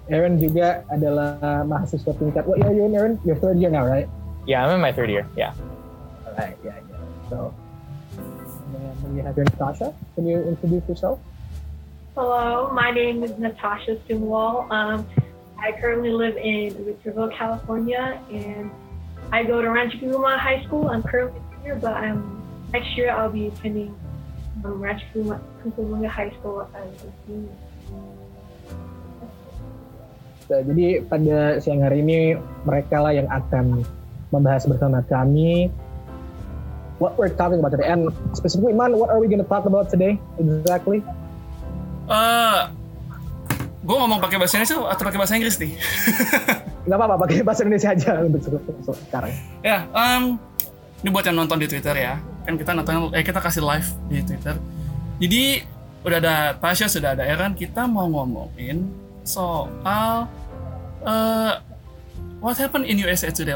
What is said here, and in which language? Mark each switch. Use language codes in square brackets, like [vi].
[id] Aaron juga adalah mahasiswa tingkat. [en] What year are you in, Aaron? You're third year now, right? Yeah, I'm in my third year. Yeah. All right. Yeah. So, and then we have here Natasha. Can you introduce yourself? Hello, my name is Natasha Stumwall. I currently live in Victorville, California, and I go to Rancho Cucamonga High School. I'm currently here, but next year I'll be attending Rancho Cucamonga High School as a senior. [id] Jadi pada siang hari ini mereka lah yang akan membahas bersama kami [en] what we're talking about today. And specifically, man, what are we gonna talk about today exactly? [id] Gue ngomong pakai bahasa Indonesia atau pakai bahasa Inggris nih? Gak apa-apa, pakai bahasa Indonesia aja untuk sekarang. Ya, ini buat yang nonton di Twitter ya. Kan kita nonton, kita kasih live di Twitter. Jadi udah ada Tasha, sudah ada Aaron. Kita mau ngomongin soal [en] what happened in USA today.